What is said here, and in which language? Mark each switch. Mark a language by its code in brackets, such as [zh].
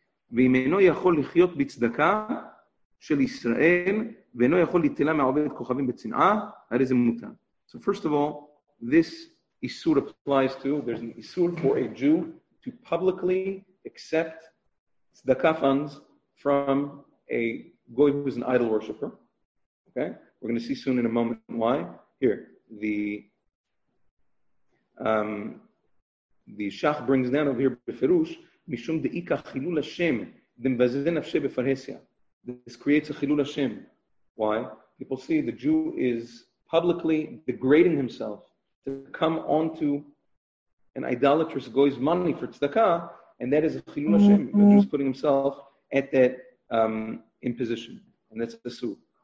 [he] Ve'im eino yachol lichyot b'tzedakah של ישראל ואינו יכול לטלה מעובד כוכבים בצנעה, הרי זה מותר. [en] So first of all, this isur applies to, there's an isur for a Jew to publicly accept tzedakah funds from a goy who's an idol worshiper. Okay? We're going to see soon in a moment why. Here, the Shach brings down over here בפירוש, [he] משום דאיקה חילול השם דמבזה נפשי בפרהסיה. [en] This creates a chilul Hashem. Why? People see the Jew is publicly degrading himself to come onto an idolatrous goy's money for tzedakah, and that is a chilul Hashem. Mm-hmm. The Jew is putting himself at that imposition, and that's the su.